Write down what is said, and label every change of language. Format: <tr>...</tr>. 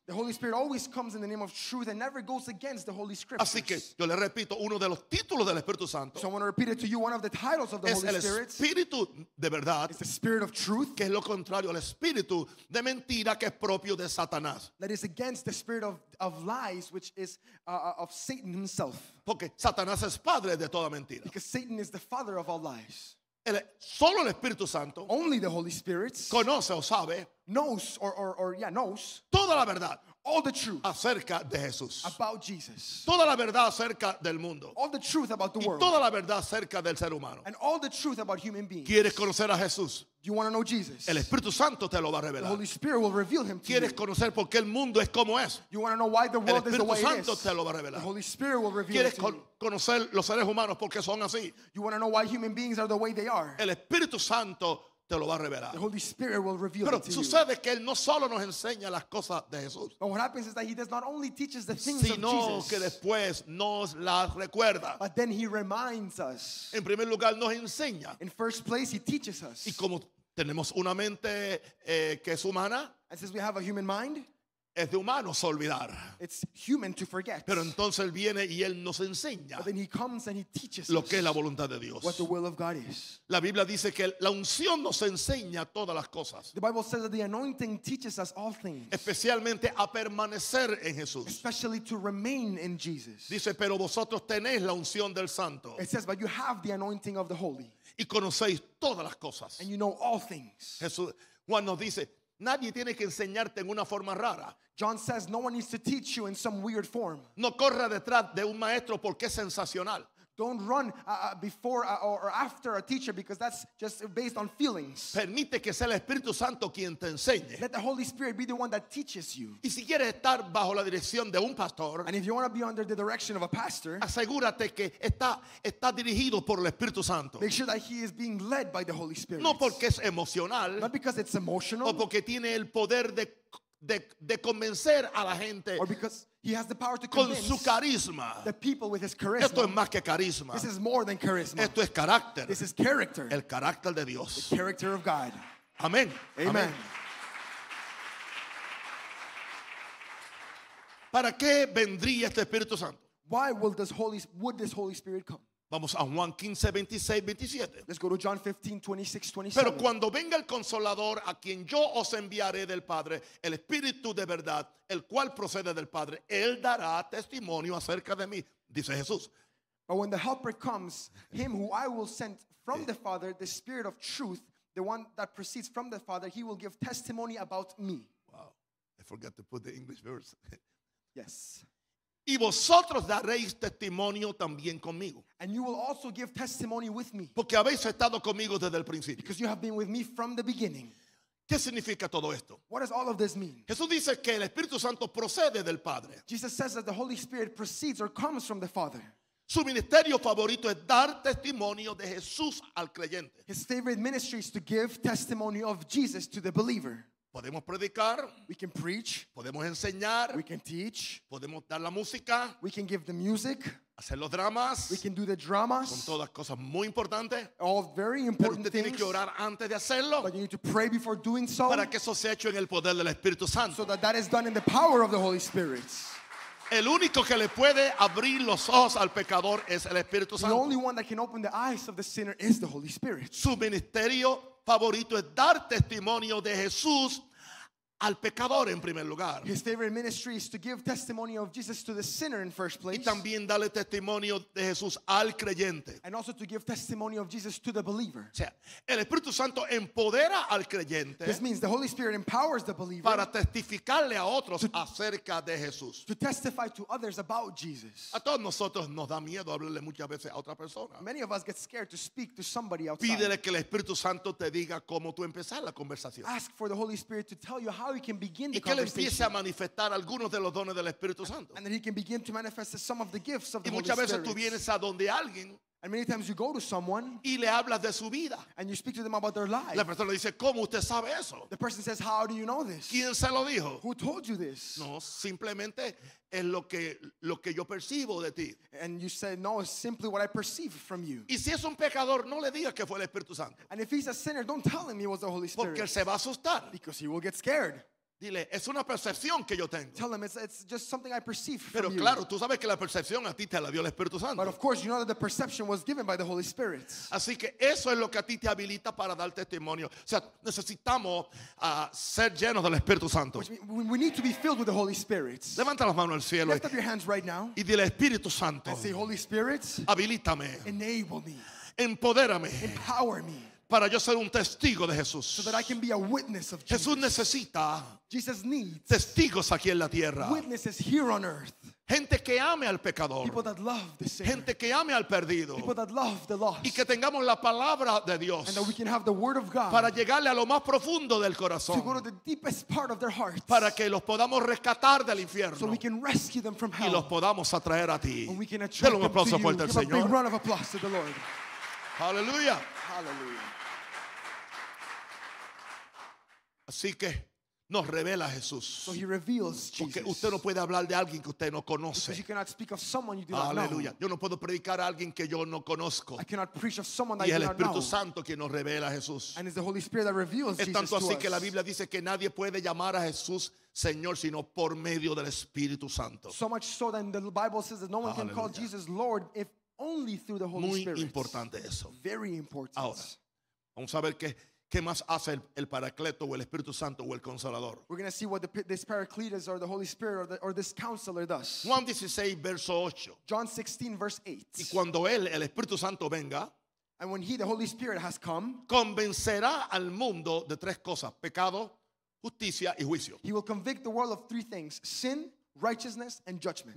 <en>The Holy Spirit always comes in the name of truth and never goes against the Holy Scriptures.</en> <es>Así que yo le repito uno de los títulos del Espíritu Santo.</es> <en>So I want to repeat it to you, one of the titles of the</en> <es>es</es> <en>Holy Spirit.</en> <es>Es el Espíritu de verdad.</es> <en>It's the Spirit of truth.</en> <es>Que es lo contrario al Espíritu de mentira que es propio de Satanás.</es> <en>That is against the spirit of lies, which is of Satan himself.</en> <es>Porque Satanás es padre de toda mentira.</es> <en>Because Satan is the father of all lies.</en> <es>Solo el Espíritu Santo</es> <en>only the Holy Spirit</en> <es>conoce o sabe</es> <en>knows or yeah knows</en> <es>toda la verdad</es> <en>all the truth</en> <es>acerca de Jesús</es> <en>about Jesus</en> <es>toda la verdad acerca del mundo</es> <en>all the truth about the world</en> <es>y toda la verdad acerca del ser humano</es> <en>and all the truth about human beings.</en> <es>¿Quieres conocer a Jesús?</es> <en>Do you want to know Jesus?</en> <es>El Espíritu Santo te lo va a revelar.</es> <en>The Holy Spirit will reveal him to</en> <es>¿quieres</es> <en>you?</en> <es>Conocer por qué el mundo es como es?</es> <en>You want to know why the world is the way it is?</en> <es>El Espíritu Santo te lo va a revelar.</es> <en>The Holy Spirit will reveal</en> <es>¿quieres</es> <en>it to you?</en> <es>Conocer los seres humanos por qué son así?</es> <en>You want to know why human beings are the way they are?</en> <es>El Espíritu Santo te lo va a revelar.</es> <en>The Holy Spirit will reveal</en> <es>pero</es> <en>it to you.</en> <es>Pero sucede que él no solo nos enseña las cosas de Jesús.</es> <en>But what happens is that he does not only teaches the things of Jesus.</en> <es>Sino que después nos las recuerda.</es> <en>But then he reminds us.</en> <es>En primer lugar nos enseña.</es> <en>In first place he teaches us.</en> <es>Y como tenemos una mente que es humana.</es> <en>And since we have a human mind.</en> <es>Es de humanos olvidar.</es> <en>It's human to forget.</en> <es>Pero entonces él viene y él nos enseña lo que es la voluntad de Dios.</es> <en>What the will of God is.</en> <es>La Biblia dice que la unción nos enseña todas las cosas.</es> <en>The Bible says that the anointing teaches us all things.</en> <es>Especialmente a permanecer en Jesús.</es> <en>Especially to remain in Jesus.</en> <es>Dice, pero vosotros tenéis la unción del Santo.</es> <en>It says, but you have the anointing of the Holy.</en> <es>Y conocéis todas las cosas.</es> <en>And you know all things.</en> <es>Jesús, Juan nos dice, nadie tiene que enseñarte en una forma rara.</es> <en>John says no one needs to teach you in some weird form.</en> <es>No corra detrás de un maestro porque es sensacional.</es> <en>Don't run before or after a teacher because that's just based on feelings.</en> <es>Permite que sea el Espíritu Santo quien te enseñe.</es> <en>Let the Holy Spirit be the one that teaches you.</en> <es>Y si quieres estar bajo la dirección de un pastor,</es> <en>and if you want to be under the direction of a pastor,</en> <es>asegúrate que está dirigido por el Espíritu Santo.</es> <en>Make sure that he is being led by the Holy Spirit.</en> <es>No porque es emocional.</es> <en>Not because it's emotional.</en> <es>O porque tiene el poder de convencer a la gente.</es> <en>Or because he has the power to convince the people with his charisma.</en> <es>Esto es más que carisma.</es> <en>This is more than charisma.</en> <es>Esto es carácter.</es> <en>This is character.</en> <es>El carácter de Dios.</es> <en>The character of God.</en> <es>Amén.</es> <en>Amen. Amen.</en> <es>¿Para qué vendría este Espíritu Santo?</es> <en>Why would this Holy Spirit come?</en> <es>Vamos a Juan 15, 26, 27.</es> <en>Let's go to John 15, 26, 27.</en> <es>Pero cuando venga el Consolador, a quien yo os enviaré del Padre, el Espíritu de verdad, el cual procede del Padre, él dará testimonio acerca de mí, dice Jesús.</es> <en>But when the Helper comes, him who I will send from the Father, the Spirit of truth, the one that proceeds from the Father, he will give testimony about me. Wow, I forgot to put the English verse. Yes.</en> <es>Y vosotros daréis testimonio también conmigo.</es> <en>And you will also give testimony with me.</en> <es>Porque habéis estado conmigo desde el principio.</es> <en>Because you have been with me from the beginning.</en> <es>¿Qué significa todo esto?</es> <en>What does all of this mean?</en> <es>Jesús dice que el Espíritu Santo procede del Padre.</es> <en>Jesus says that the Holy Spirit proceeds or comes from the Father.</en> <es>Su ministerio favorito es dar testimonio de Jesús al creyente.</es> <en>His favorite ministry is to give testimony of Jesus to the believer.</en> <es>Podemos predicar.</es> <en>We can preach.</en> <es>Podemos enseñar.</es> <en>We can teach.</en> <es>Podemos dar la música.</es> <en>We can give the music.</en> <es>Hacer los dramas.</es> <en>We can do the dramas.</en> <es>Son todas cosas muy importantes.</es> <en>All very important things.</en> <es>Pero usted tiene que orar antes de hacerlo.</es> <en>But you need to pray before doing so.</en> <es>Para que eso sea hecho en el poder del Espíritu Santo.</es> <en>So that is done in the power of the Holy Spirit.</en> <es>El único que le puede abrir los ojos al pecador es el Espíritu Santo.</es> <en>The only one that can open the eyes of the sinner is the Holy Spirit.</en> <es>Su ministerio favorito es dar testimonio de Jesús al pecador en primer lugar.</es> <en>His favorite ministry is to give testimony of Jesus to the sinner in first place.</en> <es>Y también darle testimonio de Jesús al creyente.</es> <en>And also to give testimony of Jesus to the believer.</en> <es>O sea, el Espíritu Santo empodera al creyente.</es> <en>This means the Holy Spirit empowers the believer.</en> <es>Para testificarle a otros acerca de Jesús.</es> <en>To testify to others about Jesus.</en> <es>A todos nosotros nos da miedo hablarle muchas veces a otra persona.</es> <en>Many of us get scared to speak to somebody outside.</en> <es>Pídele que el Espíritu Santo te diga cómo tú empezar la conversación.</es> <en>Ask for the Holy Spirit to tell you how he can begin the conversation.</en> <es>De los dones del Espíritu Santo.</es> <en>And then he can begin to manifest some of the gifts of</en> <es>y</es> <en>the Holy</en> <es>veces</es> <en>Spirit.</en> <es>A donde alguien,</es> <en>and many times you go to someone</en> <es>y le hablas de su vida.</es> <en>And you speak to them about their life.</en> <es>La persona dice, ¿cómo usted sabe eso?</es> <en>The person says, how do you know this?</en> <es>¿Quién se lo dijo?</es> <en>Who told you this?</en> <es>No, simplemente es lo que yo percibo de ti.</es> <en>And you say, no, it's simply what I perceive from you.</en> <es>Y si es un pecador, no le digas que fue el Espíritu Santo.</es> <en>And if he's a sinner, don't tell him it was the Holy Spirit.</en> <es>Porque él se va a asustar.</es> <en>Because he will get scared.</en> <es>Dile, es una percepción que yo tengo.</es> <en>Tell him, it's just something I perceive from you.</en> <es>Pero claro, tú sabes que la percepción a ti te la dio el Espíritu Santo.</es> <en>But of course, you know that the perception was given by the Holy Spirit.</en> <es>Así que eso es lo que a ti te habilita para dar testimonio. O sea, necesitamos ser llenos del Espíritu Santo.</es> <en>Which means we need to be filled with the Holy Spirit.</en> <es>Levanta las manos al cielo.</es> <en>Lift up your hands right now.</en> <es>Y dile, Espíritu Santo.</es> <en>And say, Holy Spirit.</en> <es>Habilítame.</es> <en>Enable me.</en> <es>Empodérame.</es> <en>Empower me.</en> <es>Para yo ser un testigo de Jesús.</es> <en>So that I can be a witness of Jesus.</en> <es>Jesús necesita</es> <en>Jesus needs</en> <es>testigos aquí en la tierra.</es> <en>Witnesses here on earth.</en> <es>Gente que ame al pecador.</es> <en>People that love the sinner.</en> <es>Gente que ame al perdido.</es> <en>People that love the lost.</en> <es>Y que tengamos la palabra de Dios.</es> <en>And that we can have the word of God.</en> <es>Para llegarle a lo más profundo del corazón.</es> <en>To go to the deepest part of their hearts.</en> <es>Para que los podamos rescatar del infierno.</es> <en>So we can rescue them from hell.</en> <es>Y los podamos atraer a ti.</es> <en>And we can attract them to you.</en> <es>Dale un aplauso fuerte al Señor.</es> <en>Give a big round of applause to the Lord. Hallelujah. Hallelujah.</en> <es>Así que nos revela a Jesús.</es> <en>So he reveals Jesus.</en> <es>Porque usted no puede hablar de alguien que usted no conoce.</es> <en>Because you cannot speak of someone you do not know.</en> <es>Aleluya. Yo no puedo predicar a alguien que yo no conozco.</es> <en>I cannot preach of someone that</en> <es>y</es> <en>you</en> <es>el Espíritu</es> <en>know.</en> <es>Santo quien nos revela a Jesús.</es> <en>And it's the Holy Spirit that reveals Jesus.</en> <es>Es tanto</es> <en>Jesus</en> <es>así</es> <en>to</en> <es>que</es> <en>us.</en> <es>La Biblia dice que nadie puede llamar a Jesús Señor sino por medio del Espíritu Santo.</es> <en>So much so that the Bible says that no one can call Jesus Lord if only through the Holy</en> <es>Muy</es> <en>Spirit.</en> <es>Muy importante eso.</es> <en>Very important.</en> <es>Ahora, vamos a ver qué más hace el Paracleto o el Espíritu Santo o el Consolador.</es> <en>We're going to see what this Paracletus or the Holy Spirit or this Counselor does.</en> <es>Juan 16, verso 8.</es> <en>John 16, verse 8.</en> <es>Y cuando él, el Espíritu Santo, venga,</es> <en>and when he, the Holy Spirit, has come,</en> <es>convencerá al mundo de tres cosas, pecado, justicia y juicio.</es> <en>He will convict the world of three things, sin, righteousness and judgment.</en>